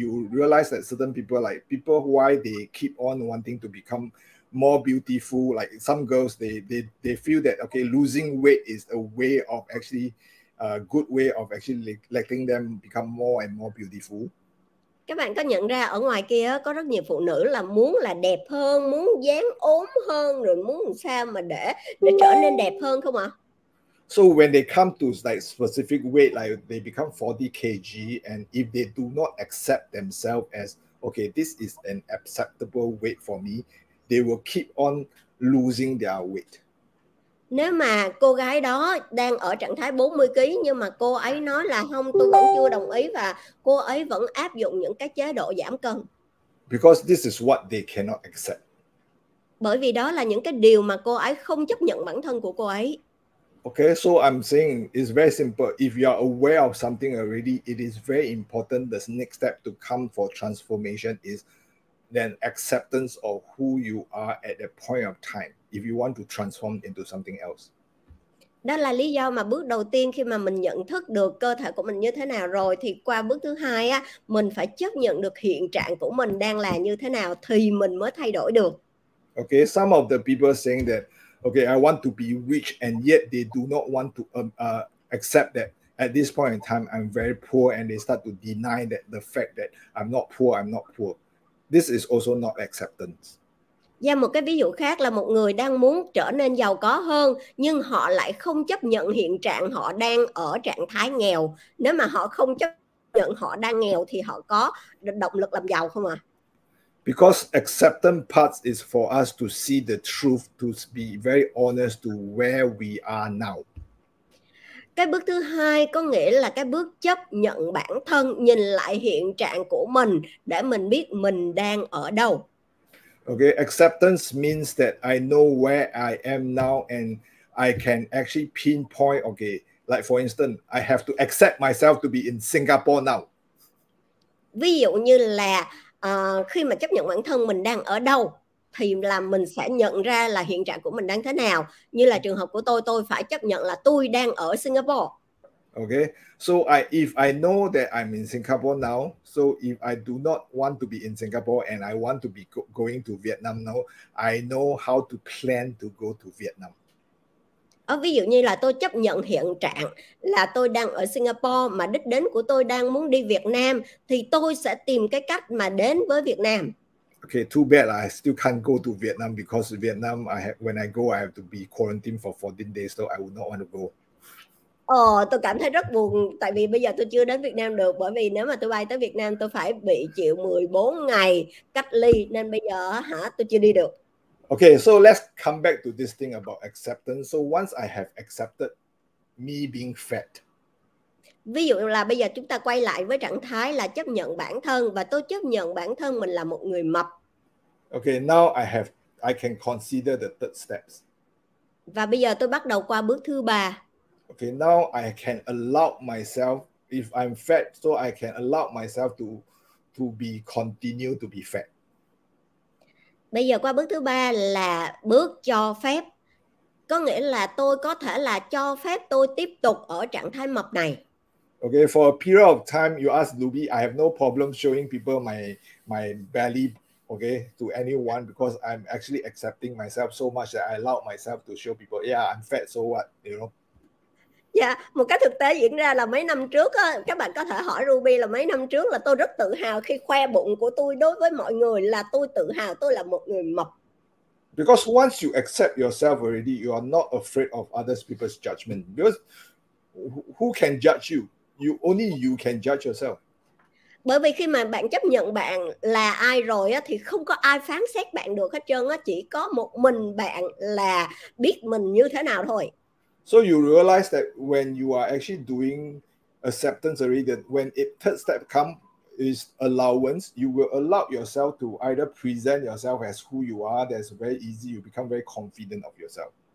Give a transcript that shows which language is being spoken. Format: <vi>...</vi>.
<en>You realize that certain people, like people, why they keep on wanting to become more beautiful. Like some girls, they feel that okay, losing weight is a way of actually a good way of actually letting them become more and more beautiful.</en> <vi>Các bạn có nhận ra ở ngoài kia có rất nhiều phụ nữ là muốn là đẹp hơn, muốn dáng ốm hơn, rồi muốn làm sao mà để trở nên đẹp hơn không ạ?</vi> <en>So when they come to like specific weight, like they become 40 kg, and if they do not accept themselves as okay, this is an acceptable weight for me, they will keep on losing their weight.</en> <vi>Nếu mà cô gái đó đang ở trạng thái 40 kg nhưng mà cô ấy nói là không, tôi vẫn chưa đồng ý và cô ấy vẫn áp dụng những cái chế độ giảm cân.</vi> <en>Because this is what they cannot accept.</en> <vi>Bởi vì đó là những cái điều mà cô ấy không chấp nhận bản thân của cô ấy.</vi> <en>Okay, so I'm saying it's very simple. If you are aware of something already, it is very important the next step to come for transformation is then acceptance of who you are at a point of time if you want to transform into something else.</en> <vi>Đó là lý do mà bước đầu tiên khi mà mình nhận thức được cơ thể của mình như thế nào rồi thì qua bước thứ hai á, mình phải chấp nhận được hiện trạng của mình đang là như thế nào thì mình mới thay đổi được.</vi> <en>Okay, some of the people saying that okay, I want to be rich and yet they do not want to accept that at this point in time I'm very poor and they start to deny that the fact that I'm not poor. This is also not acceptance.</en> <vi>Và một cái ví dụ khác là một người đang muốn trở nên giàu có hơn nhưng họ lại không chấp nhận hiện trạng họ đang ở trạng thái nghèo. Nếu mà họ không chấp nhận họ đang nghèo thì họ có động lực làm giàu không ạ? À?</vi> <en>Because acceptance parts is for us to see the truth, to be very honest to where we are now.</en> <vi>Cái bước thứ hai có nghĩa là cái bước chấp nhận bản thân, nhìn lại hiện trạng của mình để mình biết mình đang ở đâu.</vi> <en>Okay, acceptance means that I know where I am now and I can actually pinpoint, okay, like for instance, I have to accept myself to be in Singapore now.</en> <vi>Ví dụ như là khi mà chấp nhận bản thân mình đang ở đâu thì là mình sẽ nhận ra là hiện trạng của mình đang thế nào. Như là trường hợp của tôi phải chấp nhận là tôi đang ở Singapore.</vi> <en>Okay, so if I know that I'm in Singapore now, so if I do not want to be in Singapore and I want to be going to Vietnam now, I know how to plan to go to Vietnam.</en> <vi>Ví dụ như là tôi chấp nhận hiện trạng là tôi đang ở Singapore mà đích đến của tôi đang muốn đi Việt Nam thì tôi sẽ tìm cái cách mà đến với Việt Nam.</vi> <en>Okay, too bad I still can't go to Vietnam because Vietnam when I go I have to be quarantined for 14 days so I would not want to go.</en> <vi>Tôi cảm thấy rất buồn tại vì bây giờ tôi chưa đến Việt Nam được bởi vì nếu mà tôi bay tới Việt Nam tôi phải bị chịu 14 ngày cách ly nên bây giờ tôi chưa đi được.</vi> <en>Okay, so let's come back to this thing about acceptance. So once I have accepted me being fat.</en> <vi>Ví dụ là bây giờ chúng ta quay lại với trạng thái là chấp nhận bản thân, và tôi chấp nhận bản thân mình là một người mập.</vi> <en>Okay, now I can consider the third steps.</en> <vi>Và bây giờ tôi bắt đầu qua bước thứ ba.</vi> <en>Okay, now I can allow myself, if I'm fat, so I can allow myself to be continue to be fat.</en> <vi>Bây giờ qua bước thứ ba là bước cho phép. Có nghĩa là tôi có thể là cho phép tôi tiếp tục ở trạng thái mập này.</vi> <en>Okay, for a period of time, you ask Luby, I have no problem showing people my belly, okay, to anyone, because I'm actually accepting myself so much that I allow myself to show people, yeah, I'm fat, so what, you know?</en> <vi>Yeah, một cái thực tế diễn ra là mấy năm trước, các bạn có thể hỏi Ruby là mấy năm trước là tôi rất tự hào khi khoe bụng của tôi đối với mọi người, là tôi tự hào tôi là một người mập.</vi> <en>Because once you accept yourself already, you are not afraid of other people's judgment. Because who can judge you? You only you can judge yourself.</en> <vi>Bởi vì khi mà bạn chấp nhận bạn là ai rồi á, thì không có ai phán xét bạn được hết trơn á, chỉ có một mình bạn là biết mình như thế nào thôi.</vi> <en>So you realize that when you are actually doing acceptance already, that when a third step come is allowance, you will allow yourself to either present yourself as who you are, that's very easy, you become very confident of yourself.</en>